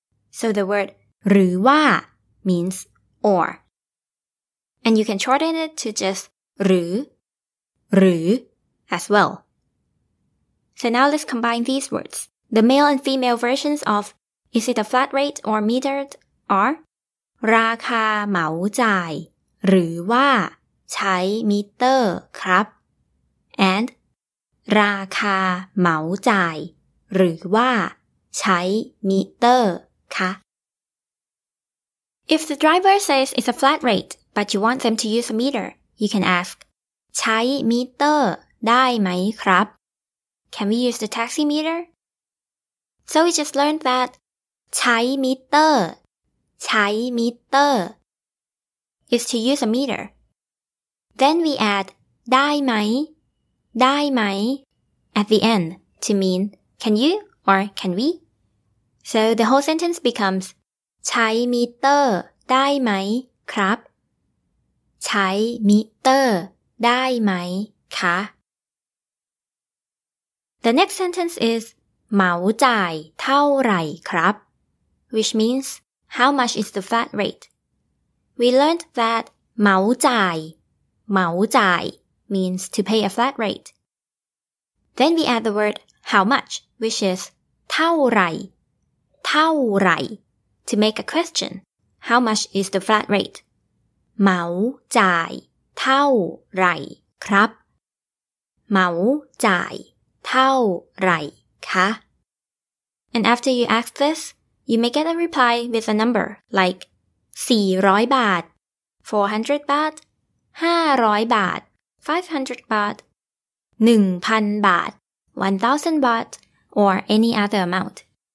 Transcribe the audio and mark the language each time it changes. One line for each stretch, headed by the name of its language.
English: So the word หรือว่า means or. And you can shorten it to just หรือ as well. So now let's combine these words. The male and female versions of is it a flat rate or metered are...
Thai: ราคาเหมาจ่ายหรือว่าใช้มิเตอร์ครับ
English: and
Thai: ราคาเหมาจ่ายหรือว่าใช้มิเตอร์คะ
English: If the driver says it's a flat rate but you want them to use a meter you can ask
Thai: ใช้มิเตอร์ได้ไหมครับ
English: Can we use the taxi meter? So we just learned that ใช้มิเตอร์ใช้มิเตอร์ is to use a meter. Then we add ได้ไหมได้ไหม at the end to mean can you or can we? So the whole sentence becomes
Thai: ใช้มิเตอร์ได้ไหมครับใช้มิเตอร์ได้ไหมคะ
English: The next sentence is
Thai: เหมาจ่ายเท่าไหร่ครับ
English: which meansHow much is the flat rate? We learned that เหมาจ่าย เ เหมาจ่าย means to pay a flat rate. Then we add the word how much, which is เท่าไหร่ เท่าไหร่ to make a question. How much is the flat rate?
Thai: เหมาจ่ายเท่าไหร่ครับ เหมาจ่ายเท่าไหร่คะ
English: And after you ask this, you may get a reply with a number like 400 baht, 400 baht, 500 baht, 500 baht, 1000 baht, 1000 baht, or any other amount.